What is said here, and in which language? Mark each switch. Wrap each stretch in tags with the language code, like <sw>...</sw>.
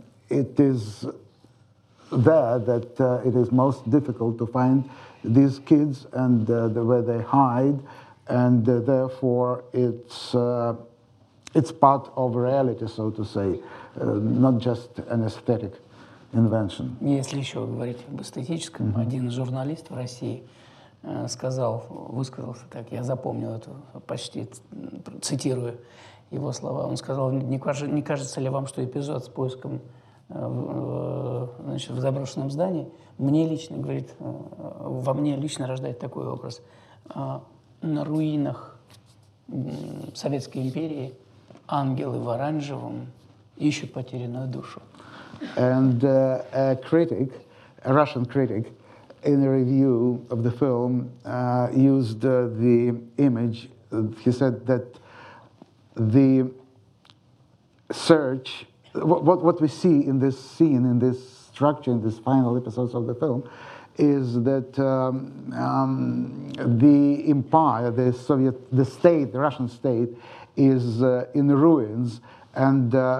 <en>it is there that it is most difficult to find these kids and where they hide, and therefore it's part of reality, so to say, not just an aesthetic invention.</en> <ru>Если еще говорить об эстетическом, один журналист в России высказался так, я запомнил это, почти цитирую его слова, он сказал, не кажется ли вам, что эпизод с поиском в заброшенном здании, мне лично, говорит, во мне лично рождает такой образ. На руинах Советской империи ангелы в оранжевом ищут потерянную душу.</ru> <en>And a critic, a Russian critic, in a review of the film used the image, he said that the search, what we see in this scene, in this structure, in this final episodes of the film, is that the empire, the Soviet, the state, the Russian state, is in ruins, and</en>